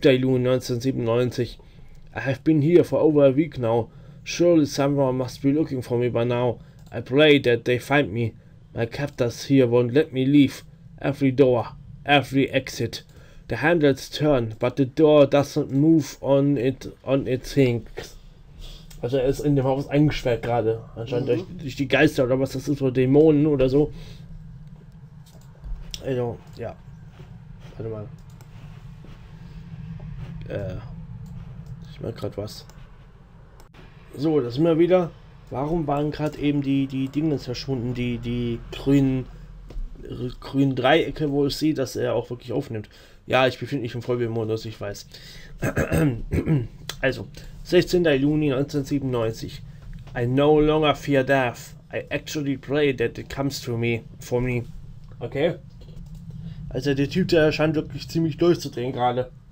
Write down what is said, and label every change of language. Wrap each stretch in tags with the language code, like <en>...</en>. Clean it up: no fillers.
<en>Juni 1997. I have been here for over a week now. Surely someone must be looking for me by now. I pray that they find me. My captors here won't let me leave. Every door, every exit. The handles turn, but the door doesn't move on its hinges.</en> <de>Also er ist in dem Haus eingesperrt gerade. Anscheinend durch die Geister oder was das ist, so Dämonen oder so. Also, ja. Warte mal. Ich merke gerade was. So, das sind wir wieder. Warum waren gerade eben die Dinge verschwunden, die grünen Dreiecke, wo ich sehe, dass er auch wirklich aufnimmt. Ja, ich befinde mich im Vollbildmodus, ich weiß.</de> <en>Also, 16. Juni 1997. I no longer fear death. I actually pray that it comes to me, for me. Okay?</en> <de>Also, der Typ, der scheint wirklich ziemlich durchzudrehen gerade.</de>